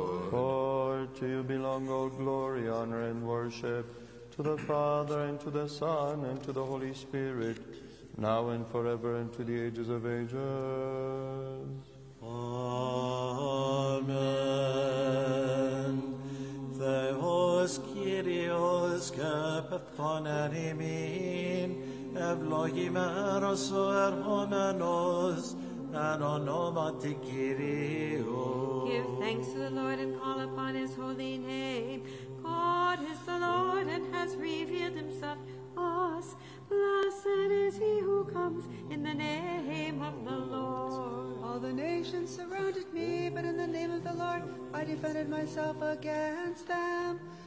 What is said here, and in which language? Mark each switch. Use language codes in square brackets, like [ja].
[en] For to you belong all glory, honor, and worship, to the Father, and to the Son, and to the Holy Spirit, now and forever, and to the ages of ages. Amen. [el] Theos Kyrios kapethon en imin, ευλογημένος ο ερχόμενος, εν ονόματι Κυρίου. [en] Give thanks to the Lord and call upon his holy name. God is the Lord and has revealed himself to us. Blessed is he who comes in the name of the Lord. All the nations surrounded me, but in the name of the Lord I defended myself against them.